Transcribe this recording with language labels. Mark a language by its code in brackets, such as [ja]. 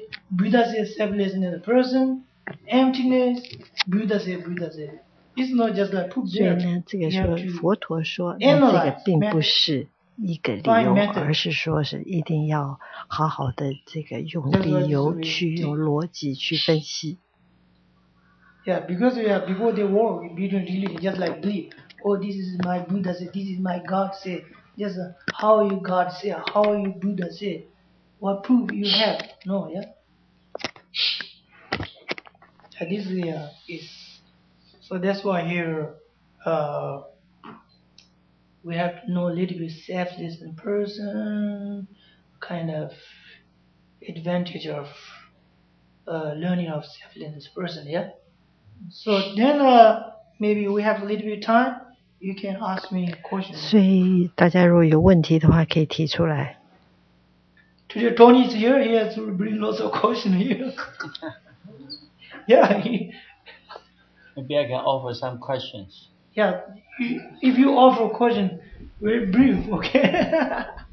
[en] Buddha says selfless is a person, emptiness, Buddha says, Buddha says. It's not just like put there. [zh] 所以呢，这个说佛陀说，那这个并不是一个理由，而是说是一定要好好的这个用理由去用逻辑去分析。 [en] Yeah, because we are before the war, we didn't really just like believe. Oh, this is my Buddha say. This is my God say. Just how you God say, how you Buddha say, what proof you have? No, yeah. And this is. So that's why here, we have to know a little bit selfless in person, kind of advantage of learning of selfless person, yeah? So then, maybe we have a little bit of time, you can ask me questions. [zh] 所以大家如果有问题的话可以提出来。 [en] Today Tony is here, he has to bring lots of questions here. yeah, Maybe I can offer some questions. Yeah, if you offer a question, very brief, okay?